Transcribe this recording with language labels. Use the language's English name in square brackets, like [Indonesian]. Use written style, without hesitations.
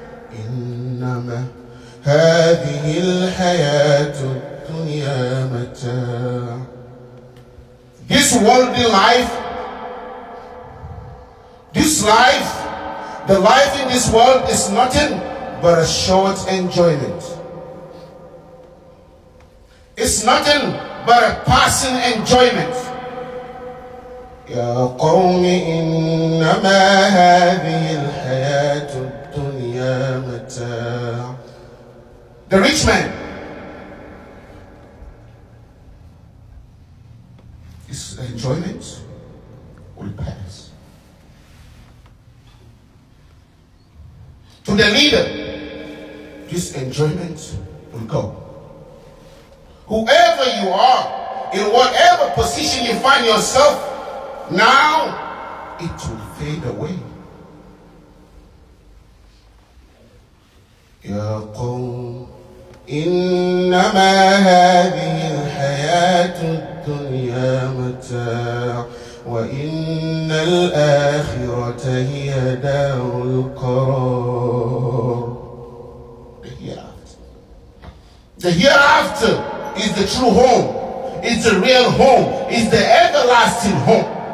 [Arabic] إنما هذه الحياة الدنيا متاع. [English] This worldly life, this life, the life in this world is nothing but a short enjoyment. It's nothing but a passing enjoyment. [Arabic] يا قوم إنما هذه الحياة الدنيا متاع. [English] The rich man, his enjoyment will pass. To the leader, this enjoyment will go. Whoever you are, in whatever position you find yourself, now it will fade away. [Arabic] يا قوم إنما هذه الحياة الدنيا متاع وإن الآخرة هي دار القرار. [English] The hereafter is the true home, it's the real home, it's the everlasting home.